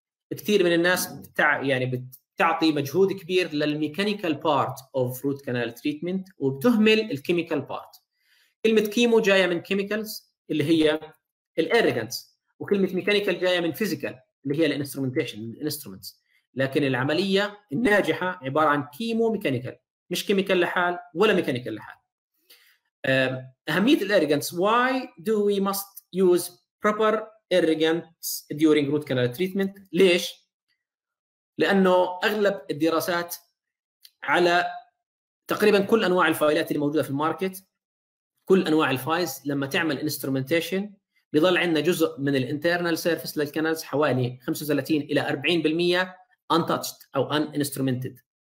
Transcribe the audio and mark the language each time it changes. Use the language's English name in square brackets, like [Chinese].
[Arabic] كثير من الناس يعني بتعطي مجهود كبير للميكانيكال بارت اوف روت كانال تريتمنت وبتهمل الكيميكال بارت. كلمه كيمو جايه من كيميكالز اللي هي الايرجنتس, وكلمه ميكانيكال جايه من فيزيكال اللي هي الانسترومنتيشن الانسترومنتس. لكن العمليه الناجحه عباره عن كيمو ميكانيكال, مش كيميكال لحال ولا ميكانيكال لحال. اهميه الايرجنتس, [English] why do we must use proper irrigants during root canal treatment. [Arabic] ليش؟ لانه اغلب الدراسات على تقريبا كل انواع الفايلات اللي موجوده في الماركت, كل انواع الفايلز لما تعمل انسترومنتيشن بيضل عندنا جزء من الانترنال سيرفيس للكنالز حوالي 35 الى 40% untouched او uninstrumented.